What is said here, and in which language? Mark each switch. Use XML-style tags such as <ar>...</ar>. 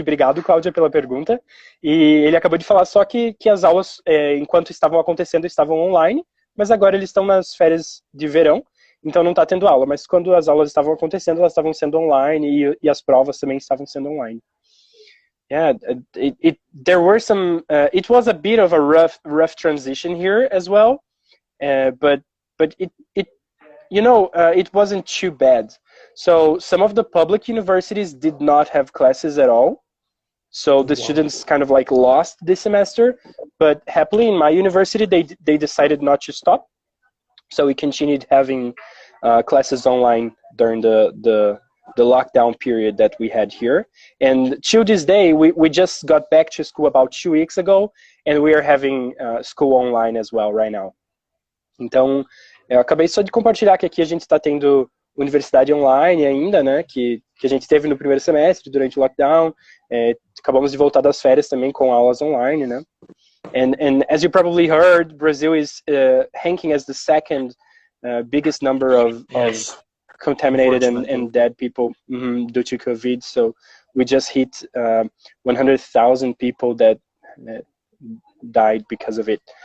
<pt>Obrigado, Cláudia, pela pergunta. E ele acabou de falar só que as aulas, enquanto estavam acontecendo, estavam online, mas agora eles estão nas férias de verão, então não está tendo aula. Mas quando as aulas estavam acontecendo, elas estavam sendo online e as provas também estavam sendo online.</pt> <en>Yeah, there were some... it was a bit of a rough transition here as well, but it you know, it wasn't too bad. So some of the public universities did not have classes at all. So the students kind of like lost this semester. But happily in my university, they decided not to stop. So we continued having classes online during the lockdown period that we had here. And to this day, we just got back to school about 2 weeks ago. And we are having school online as well right now.</en> <pt>Então... Eu acabei só de compartilhar que aqui a gente está tendo universidade online ainda, né? Que a gente teve no primeiro semestre, durante o lockdown. Acabamos de voltar das férias também com aulas online, né?</pt> <en>And as you probably heard, Brazil is ranking as the second biggest number of contaminated and dead people due to COVID. So we just hit 100,000 people that died because of it.</en>